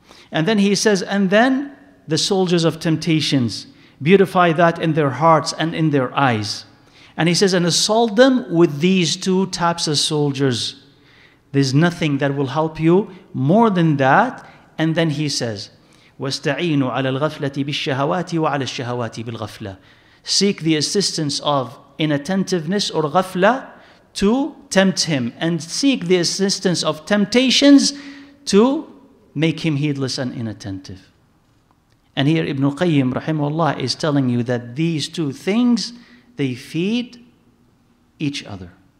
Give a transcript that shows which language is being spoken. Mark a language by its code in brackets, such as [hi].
[en] And then he says, and then the soldiers of temptations, beautify that in their hearts and in their eyes. And he says, and assault them with these two types of soldiers. There's nothing that will help you more than that. And then he says, [ar] وَاسْتَعِينُوا عَلَى الْغَفْلَةِ بِالشَّهَوَاتِ وَعَلَى الشَّهَوَاتِ بِالْغَفْلَةِ. [en] Seek the assistance of inattentiveness or ghafla to tempt him. And seek the assistance of temptations to make him heedless and inattentive. And here Ibn Qayyim, rahimahullah, is telling you that these two things, they feed each other.